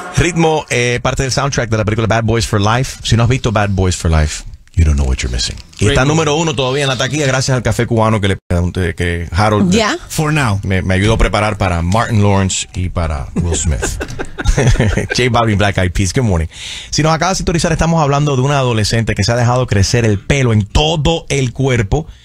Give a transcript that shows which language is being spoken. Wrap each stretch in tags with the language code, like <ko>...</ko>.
<es>Ritmo, parte del soundtrack de la película Bad Boys for Life. Si no has visto</es> <en>Bad Boys for Life, you don't know what you're missing.</en> <es>Y Ritmo. Está número uno todavía en la taquilla gracias al café cubano que Harold</es> <en>For now.</en> <es>Me ayudó a preparar para Martin Lawrence y para Will Smith. J Balvin, Black Eyed Peas,</es> <en>good morning.</en> <es>Si nos acabas de sintonizar, estamos hablando de una adolescente que se ha dejado crecer el pelo en todo el cuerpo.</es>